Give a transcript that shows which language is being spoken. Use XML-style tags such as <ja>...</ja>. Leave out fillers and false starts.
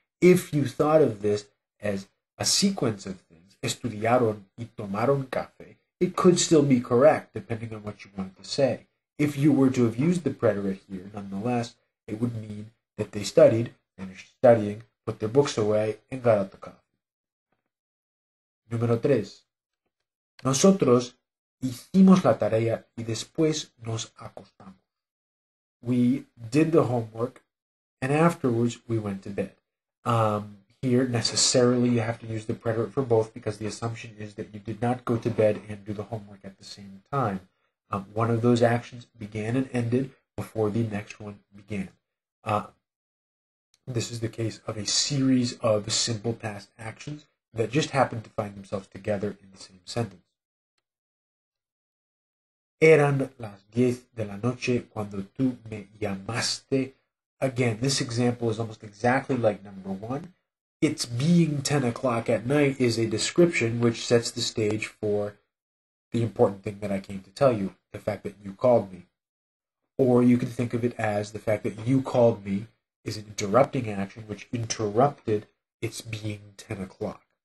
<en>If you thought of this as a sequence of</en> <es>estudiaron y tomaron café,</es> <en>it could still be correct, depending on what you wanted to say. If you were to have used the preterite here, nonetheless, it would mean that they studied, finished studying, put their books away, and got out the coffee.</en> <es>Número 3. Nosotros hicimos la tarea y después nos acostamos.</es> <en>We did the homework, and afterwards we went to bed. Here, necessarily, you have to use the preterite for both because the assumption is that you did not go to bed and do the homework at the same time. One of those actions began and ended before the next one began. This is the case of a series of simple past actions that just happened to find themselves together in the same sentence.</en> <es>Eran las 10 de la noche cuando tú me llamaste.</es> <en>Again, this example is almost exactly like number one. It's being 10 o'clock at night is a description which sets the stage for the important thing that I came to tell you, the fact that you called me. Or you can think of it as the fact that you called me is an interrupting action which interrupted it's being 10 o'clock.</en>